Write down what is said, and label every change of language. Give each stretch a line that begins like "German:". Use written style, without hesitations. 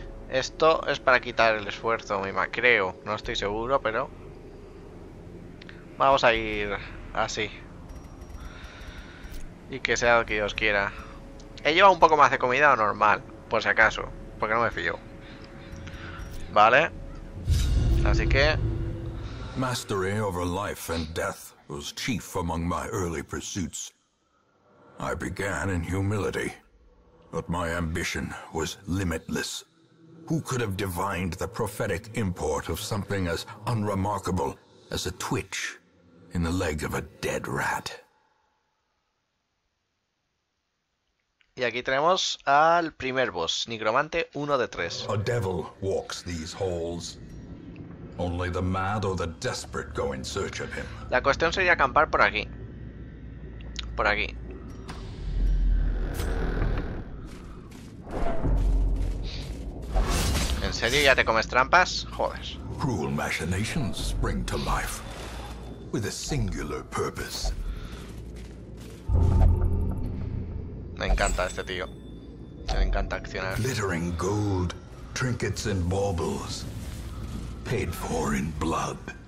Spanish: Esto es para quitar el esfuerzo, mi ma. Creo. No estoy seguro, pero. Vamos a ir así. Y que sea lo que Dios quiera. He llevado un poco más de comida o normal, por si acaso, porque no me fío. Vale. Así que.
English: Mastery over life and death was chief among my early pursuits. I began in humility, but my ambition was limitless. Who could have divined the prophetic import of something as unremarkable as a twitch? In the leg of a dead rat.
Spanish: Y aquí tenemos al primer boss, Nigromante 1 de 3.
English: A devil walks these halls. Only the mad or the desperate go in search of him.
Spanish: La cuestión sería acampar por aquí. Por aquí. ¿En serio ya te comes trampas? Joder.
English: Cruel machinations spring to life. With a singular purpose.
Spanish: Me encanta este tío. Me encanta accionar.
English: Glittering gold, trinkets and baubles, paid for in blood.